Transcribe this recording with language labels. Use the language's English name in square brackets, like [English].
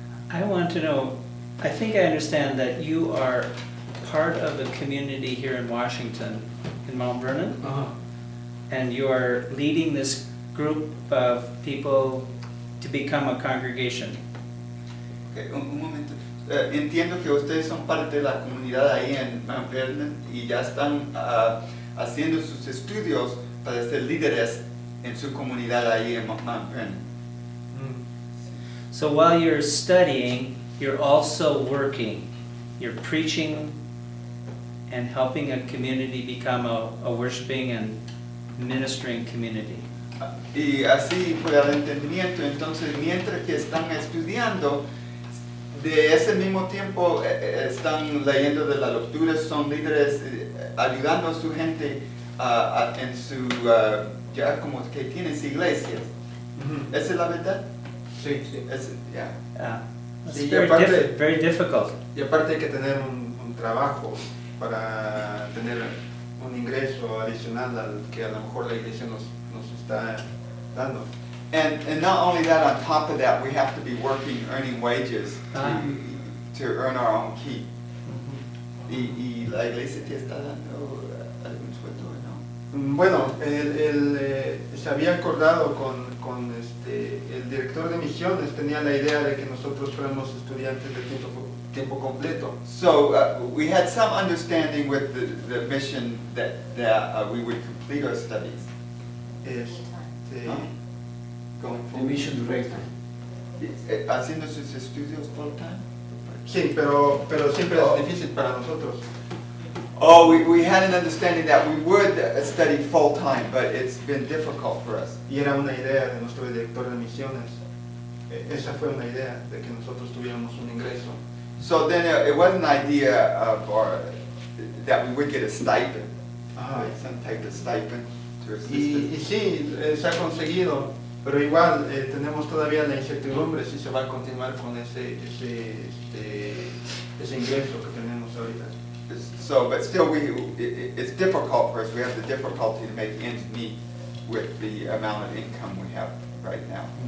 [English] I want to know, I think I understand that you are part of a community here in Washington, in Mount Vernon, uh-huh. And you are leading this group of people to become a congregation. [Spanish] Okay, un momento. Entiendo que ustedes son parte de la comunidad ahí en Mount Vernon y ya están haciendo sus estudios para ser líderes en su comunidad ahí en Mount Vernon. [English] So while you're studying, you're also working. You're preaching and helping a community become a worshiping and ministering community. [Spanish] Y así fue el entendimiento. Entonces, mientras que están estudiando, de ese mismo tiempo están leyendo de la lectura, son líderes ayudando a su gente en su, ya como que tienes iglesias. Mm-hmm. ¿Esa es la verdad? Sí, sí. [English] Yeah. It's very difficult. [Spanish] Y aparte hay que tener un trabajo para tener un ingreso adicional al que a lo mejor la iglesia nos está dando. [English] And not only that, on top of that, we have to be working, earning wages to earn our own keep. Mm-hmm. [Spanish] ¿Y la iglesia te está dando algún sueldo o no? Bueno, él se había acordado con el director de misiones tenía la idea de que nosotros fuéramos estudiantes de tiempo completo. [English] So we had some understanding with the mission that we would complete our studies. The mission director. [Spanish] Haciendo sus estudios full time. Sí, pero siempre es difícil para nosotros. [English] Oh, we had an understanding that we would study full time, but it's been difficult for us. [Spanish] Y era una idea de nuestro director de misiones. Esa fue una idea de que nosotros tuviéramos un ingreso. [English] So then it was an idea of our that we would get a stipend, like some type of stipend to assist. [Spanish] Y sí, se ha conseguido, pero igual tenemos todavía la incertidumbre si se va a continuar con ese ingreso que tenemos ahorita. [English] So, but still, it's difficult for us. We have the difficulty to make ends meet with the amount of income we have right now.